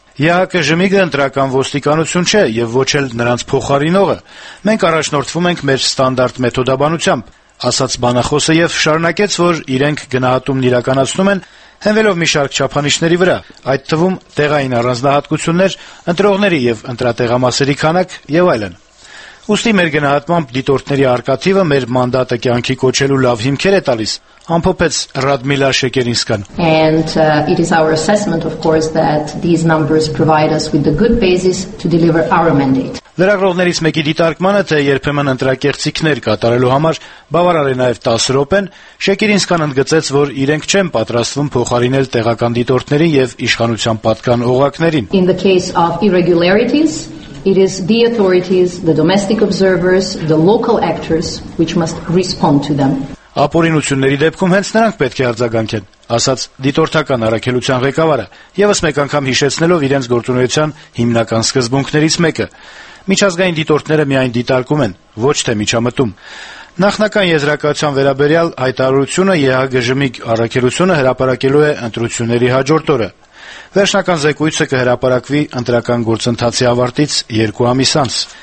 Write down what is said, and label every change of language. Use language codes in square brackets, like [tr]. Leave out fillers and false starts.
[hy] ՀՀԿ ժմիգը ընտրական ոստիկանություն չէ եւ ոչ էլ նրանց փոխարինողը։ Մենք առաջնորդվում ենք մեր ստանդարտ մեթոդաբանությամբ, ասաց բանախոսը եւ շարունակեց, որ իրենք գնահատումն իրականացնում են հենվելով մի շարք չափանիշների վրա, այդ թվում տեղային առանձնահատկություններ, ընտրողների և ընտրատեղամասերի քանակ և այլն։ Ուստի մեր գնահատմամբ դիտորդների արկաթիվը մեր մանդատը կյանքի կոչելու լավ հիմքեր է տալիս, ամփոփեց Ռադմիլա Շեկերինսկան. [en] And it is our assessment of course that these numbers provide us with the good basis to deliver our mandate. [hy] Լրագրողներից մեկի դիտարկմանը, թե երբեմն ընտրակերտիկներ կատարելու համար բավարար է նաև 10 րոպեն, Շեկերինսկան ընդգծեց, որ իրենք չեն պատրաստվում փոխարինել տեղական դիտորդներին և իշխանության պատկան օղակներին. [en] In the case of irregularities, it is the authorities, the domestic observers, the local actors which must respond to them. [hy] Ապօրինությունների դեպքում հենց նրանք պետք է արձագանքեն, ասաց դիտորդական առաքելության ղեկավարը, եւս մեկ անգամ հիշեցնելով իրենց գործունեության հիմնական սկզբունքներից մեկը. Միջազգային դիտորդները միայն դիտարկում են, ոչ թե միջամտում։ Նախնական եզրակացության վերաբերյալ հայտարարությունը ԵՀԳԺ-ի առաքելությունը հրապարակելու է ընտրությունների հաջորդ օրը։ Վերջնական զեկույցը կհրապարակվի ընտրական գործընթացի ավարտից 2 ամիս անց։